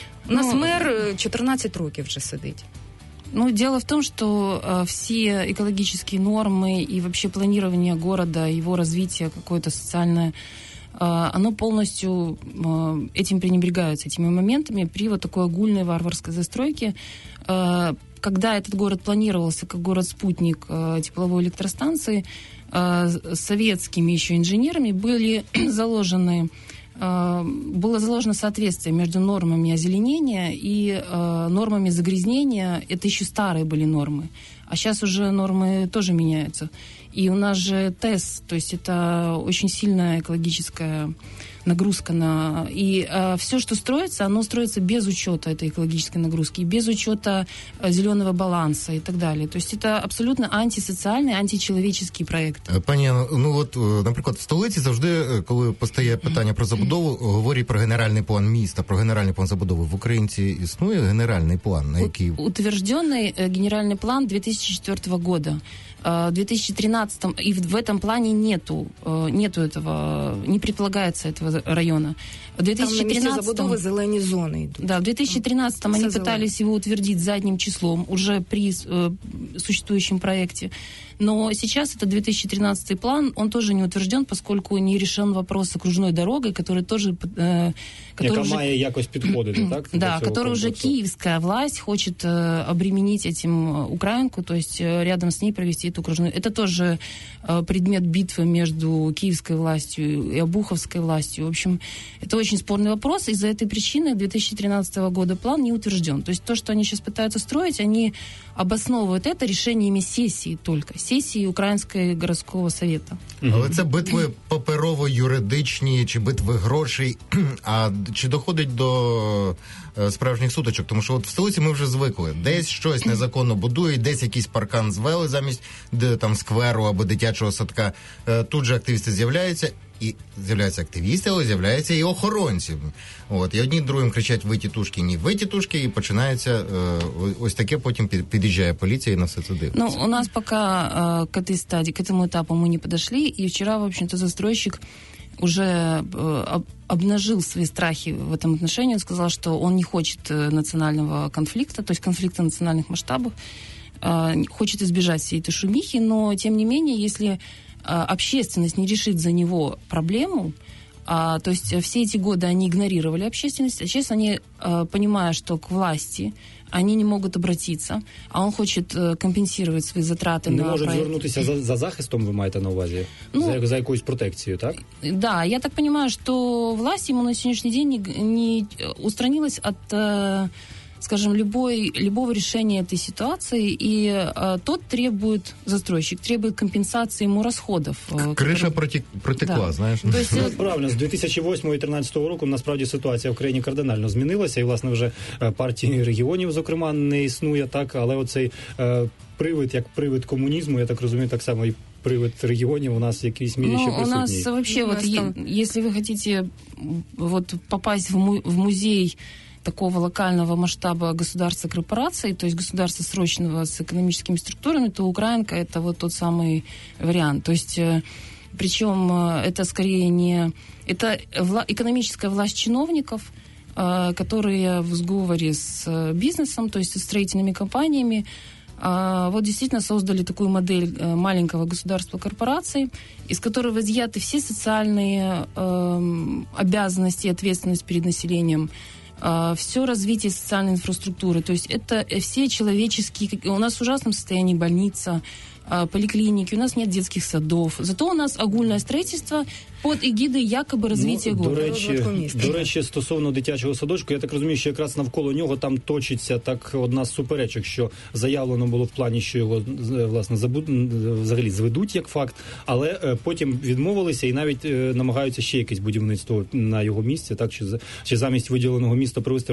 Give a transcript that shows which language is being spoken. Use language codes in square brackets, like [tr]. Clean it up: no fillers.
[uk] У нас мер 14 років вже сидить. [ru] Ну, дело в том, что все экологические нормы и вообще планирование города, его развитие какое-то социальное, оно полностью этим пренебрегается, этими моментами, при вот такой огульной варварской застройке. Когда этот город планировался как город-спутник тепловой электростанции, советскими еще инженерами были заложены... было заложено соответствие между нормами озеленения и нормами загрязнения. Это еще старые были нормы. А сейчас уже нормы тоже меняются. И у нас же ТЭС, то есть это очень сильная экологическая нагрузка. И все, что строится, оно строится без учета этой экологической нагрузки, без учета зеленого баланса и так далее. То есть это абсолютно антисоциальный, античеловеческий проект. [uk] Пані, ну вот, наприклад, в столиці завжди, коли постає питання про забудову, говорить про генеральний план міста, про генеральний план забудови. В Українці існує генеральний план, на який... [ru] Утвержденный генеральный план 2004 года. В 2013-м и в этом плане нету этого, не предполагается этого района. В 2013-м, там на месте забудовы зелени зоны идут. Да, в 2013-м они пытались его утвердить задним числом уже при существующем проекте. Но сейчас это 2013-й план, он тоже не утвержден, поскольку не решен вопрос с окружной дорогой, которая тоже... [uk] Яка має якось підходити, так? [ru] Да, которую уже киевская власть хочет обременить этим Украинку, то есть рядом с ней провести эту окружную. Это тоже предмет битвы между киевской властью и обуховской властью. В общем, это очень спорный вопрос. Из-за этой причины 2013 года план не утвержден. То есть то, что они сейчас пытаются строить, они обосновывают это решениями сессии только. Сессии Украинского городского совета. [uk] Но это битвы паперово-юридичные, чи битвы грошей, а чи доходить до справжніх сутичок? Тому що от в столиці ми вже звикли. Десь щось незаконно будують, десь якийсь паркан звели замість де, там, скверу або дитячого садка. Тут же активісти з'являються. І з'являються активісти, але з'являються і охоронці. От, і одні другим кричать «Ви тітушки, ні, ви тітушки!» І починається ось таке, потім під'їжджає поліція і на все це дивиться. Ну, у нас поки [ru] к этой стадії, к этому етапу [uk] ми не підійшли. І вчора, [ru] в общем-то, застройщик уже обнажил свои страхи в этом отношении. Он сказал, что он не хочет национального конфликта, то есть конфликта национальных масштабов, хочет избежать всей этой шумихи, но, тем не менее, если общественность не решит за него проблему, то есть все эти годы они игнорировали общественность, а сейчас они, понимая, что к власти они не могут обратиться, а он хочет компенсировать свои затраты не на проект. Не может вернуться за захистом, [uk] вы маете на увазе? [ru] Ну, за какую-то протекцию, так? Да, я так понимаю, что власть ему на сегодняшний день не устранилась от, скажем, любого решения этой ситуации, и тот требует, застройщик, требует компенсации ему расходов. Крыша протекла, да. Знаешь. То есть, правильно, с 2008-2013 року, насправді, ситуация в Украине кардинально изменилась, [uk] и, власне, [ru] уже партии регионов, [uk] зокрема, не існує, так, але оцей привид, як привид комунізму, я так розумію, так само і привид регіонів у нас в якійсь мірі ще присутній. [ru] У нас вообще, вот, если вы хотите вот попасть в музей такого локального масштаба государства-корпорации, то есть государства срочного с экономическими структурами, то Украинка — это вот тот самый вариант. То есть, причем это скорее не... Это экономическая власть чиновников, которые в сговоре с бизнесом, то есть со строительными компаниями, вот действительно создали такую модель маленького государства-корпорации, из которого изъяты все социальные обязанности и ответственность перед населением, все развитие социальной инфраструктуры. То есть это все человеческие... У нас в ужасном состоянии больница, поликлиники, у нас нет детских садов. Зато у нас агульне строительство под егідою [uk] якоби розвитку [ru] городу. [uk] До речі, стосовно дитячого садочку, я так розумію, що якраз навколо нього там точиться так одна з суперечок, що заявлено було в плані, що його власне взагалі зведуть як факт, але потім відмовилися і навіть намагаються ще якесь будівництво на його місці, так чи замість виділеного міста провести.